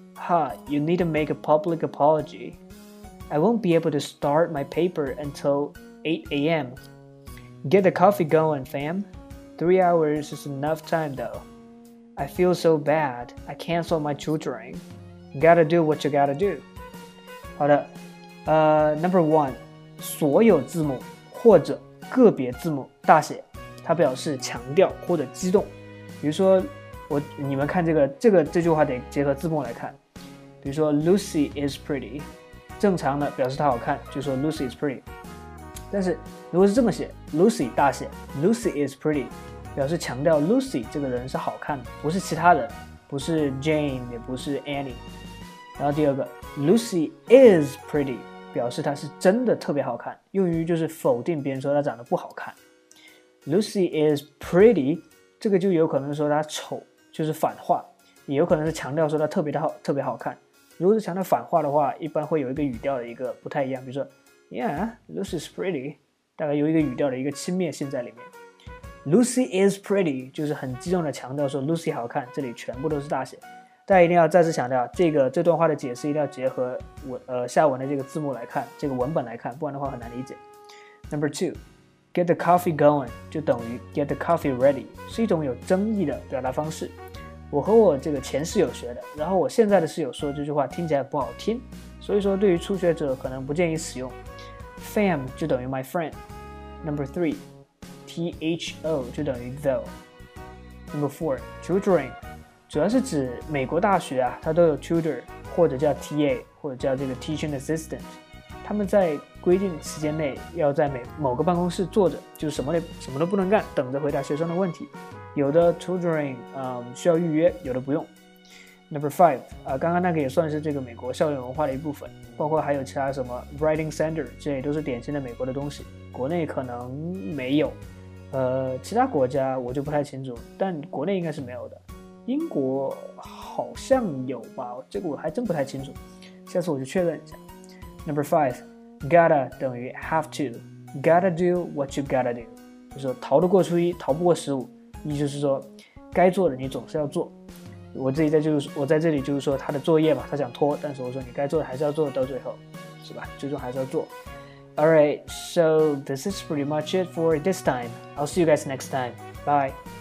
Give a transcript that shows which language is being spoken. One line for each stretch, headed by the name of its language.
English: Ha, you need to make a public apology. I won't be able to start my paper until 8 a.m. Get the coffee going, fam. 3 hours is enough time, though. I feel so bad. I canceled my tutoring. Gotta do what you gotta do.
Chinese: 好的，
English: number one,
Chinese: 所有字母或者个别字母大写，它表示强调或者激动。比如说，你们看这句话得结合字幕来看。比如说
English: ，Lucy is pretty.
Chinese: 正常的表示她好看，就说
English: Lucy is pretty.
Chinese: 但是如果是这么写 Lucy 大写 Lucy is pretty， 表示强调 Lucy 这个人是好看的，不是其他人，不是 Jane 也不是 Annie。然后第二个
English: Lucy is pretty
Chinese: 表示她是真的特别好看，用于就是否定别人说她长得不好看。
English: Lucy is pretty
Chinese: 这个就有可能说她丑，就是反话，也有可能是强调说她特别好看。如果是强调反话的话，一般会有一个语调的一个不太一样，比如说
English: Yeah, Lucy is pretty.
Chinese: 大概有一个语调的一个轻蔑性在里面。
English: Lucy is pretty
Chinese: 就是很激动的强调说 Lucy 好看，这里全部都是大写。大家一定要再次强调，这段话的解释一定要结合下文的这个字幕来看，这个文本来看，不然的话很难理解。
English: Number two, get the coffee going
Chinese: 就等于
English: get the coffee ready，
Chinese: 是一种有争议的表达方式。我和我这个前室友学的，然后我现在的室友说这句话听起来不好听，所以说对于初学者可能不建议使用。 Fam 就等于
English: my friend. Number three, T-H-O
Chinese: 就等于 though. Number four, tutoring 主要是指美国大学啊，它都有 tutor 或者叫 TA 或者叫这个 teaching assistant， 他们在规定时间内要在某个办公室坐着，就什么都不能干，等着回答学生的问题。有的 tutoring、需要预约，有的不用。
English: Number five，
Chinese: 刚刚那个也算是这个美国校园文化的一部分，包括还有其他什么
English: writing center，
Chinese: 这也都是典型的美国的东西，国内可能没有，其他国家我就不太清楚，但国内应该是没有的，英国好像有吧，这个我还真不太清楚，下次我就确认一下。
English: Number five，
Chinese: gotta 等于
English: have to， gotta do what you gotta do，
Chinese: 就是说逃得过初一，逃不过十五，意思就是说该做的你总是要做。我在这里就是说他的作业嘛，他想拖，但是我说你该做的还是要做到最后，是吧？最终还是要做。
English: Alright, so this is pretty much it for this time. I'll see you guys next time. Bye.